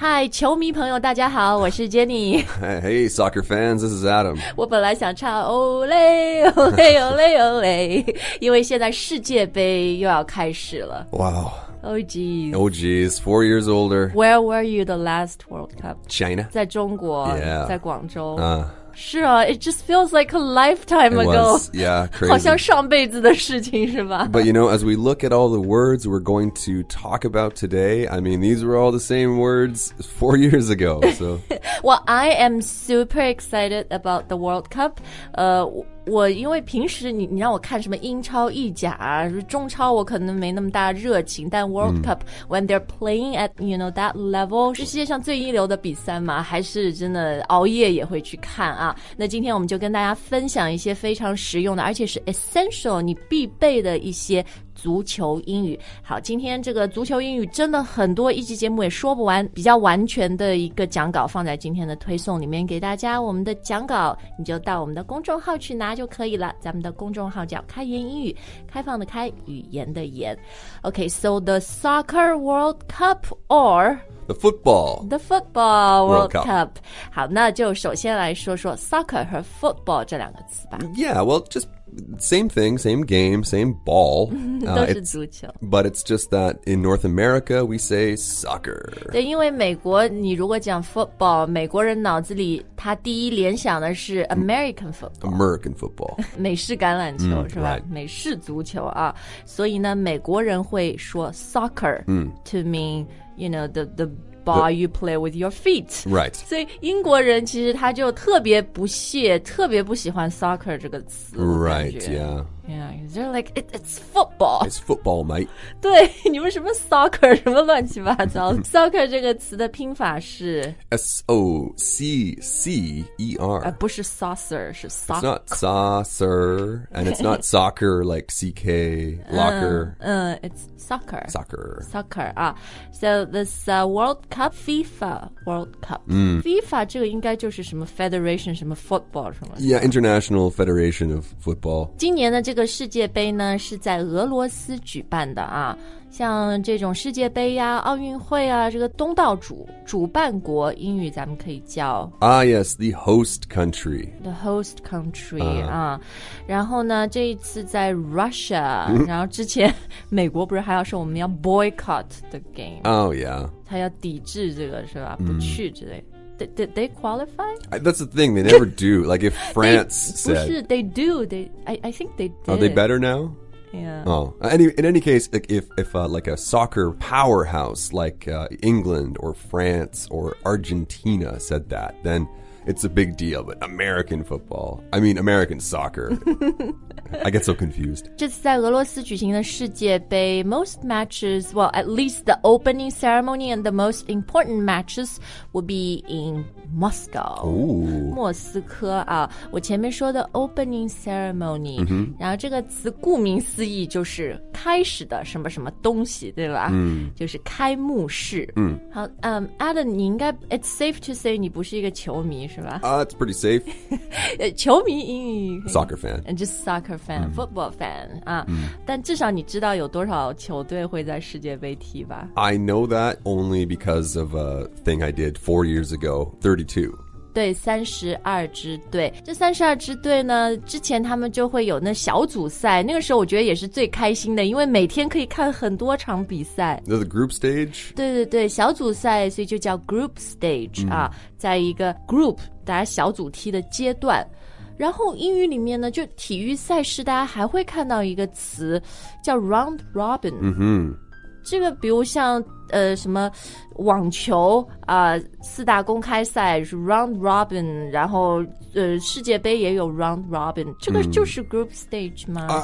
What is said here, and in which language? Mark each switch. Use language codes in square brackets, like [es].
[zh] 球迷朋友大家好，我是 Jenny。 [en] Hey soccer fans, this is Adam. [zh] 我本来想唱 Olé Olé Olé Olé 因为现在世界杯又要开始了。 [en] Wow. Oh geez, 4 years older. Where were you the last World Cup? China. [zh] 在中国、 [en] yeah. [zh] 在广州、是啊 [en] it just feels like a lifetime ago. It was, yeah, crazy. [zh] 好像上辈子的事情是吧 [en] But you know, as we look at all the words we're going to talk about today, I mean, these were all the same words 4 years ago. So. Well, I am super excited about the World Cup. [zh] 我因为平时 你让我看什么英超、意甲、中超我可能没那么大热情但 World Cup,、 [en] when they're playing at, you know, that level, [zh] 是世界上最一流的比赛吗还是真的熬夜也会去看啊那今天我们就跟大家分享一些非常实用的而且是 essential, 你必备的一些足球英语好今天这个足球英语真的很多一集节目也说不完比较完全的一个讲稿放在今天的推送里面给大家我们的讲稿你就到我们的公众号去拿就可以了咱们的公众号叫开言英语开放的开语言的言 [en] OK so the soccer world cup or The football World Cup. [zh] 好那就首先来说说 soccer 和 football 这两个词吧。 [en] Yeah, well, just same thing, same game, same ball. [zh] 都是足球。 [en] But it's just that in North America, we say soccer. [zh] 对因为美国你如果讲 football, 美国人脑子里他第一联想的是 American football. [en] American football. [zh] 美式橄榄球、是吧、right. 美式足球啊。所以呢美国人会说 [en] soccer、to meanYou know, the ball you play with your feet. Right. [zh] 所以英国人其实他就特别不屑特别不喜欢 soccer 这个词 [en] Right, yeah. Yeah, they're like, it's football. It's football, mate. [zh] 对你们什么 soccer, 什么乱七八糟 Soccer 这个词的拼法是 [en] S-O-C-C-E-R、 [zh] 不是 saucer, 是 soccer. [en] It's not saucer, and it's not soccer like C-K, locker. It's soccer. Soccer. Soccer, ah.、So this、World Cup, FIFA World Cup.、FIFA [zh] 这个应该就是什么 [en] federation, 什么 football, 什么 Yeah, International Federation of Football. [zh] 今年的这个世界杯呢是在俄罗斯举办的啊像这种世界杯呀奥运会啊这个东道主主办国英语咱们可以叫 [en] Ah yes, the host country The host country、 [zh] 然后呢这一次在 Russia、然后之前美国不是还要说我们要 [en] boycott the game Oh yeah 他要抵制这个是吧不去之类的 Did they qualify? That's the thing. They never do. Like if France said... [zh] 不是, [en] they do. I think they did. Are they better now? Yeah. Oh. In any case, if a soccer powerhouse like England or France or Argentina said that, then it's a big deal. But American football... I mean, American soccer... I get so confused. [zh] 这次在俄罗斯举行的世界杯 [en] most matches, well, at least the opening ceremony and the most important matches will be in Moscow. Ooh. [zh] 莫斯科啊，我前面说的 opening ceremony,、然后这个词顾名思义就是开始的什么什么东西，对吧？就是开幕式。好，Adam, 你应该 [en] it's safe to say [zh] 你不是一个球迷是吧？ [en] It's pretty safe. [zh] 球迷英语 [en] soccer fan and just soccer. Fan, football fan、 [zh] 但至少你知道有多少球队会在世界杯踢吧 [en] I know that only because of a thing I did 4 years ago 32 [zh] 对三十二支队这三十二支队呢之前他们就会有那小组赛那个时候我觉得也是最开心的因为每天可以看很多场比赛 [en] The group stage [zh] 对对对小组赛所以就叫 group stage、在一个 group 大家小组踢的阶段然后英语里面呢就体育赛事大家还会看到一个词叫 round robin、这个比如像什么网球四大公开赛 round robin 然后世界杯也有 round robin 这个就是 group stage 吗、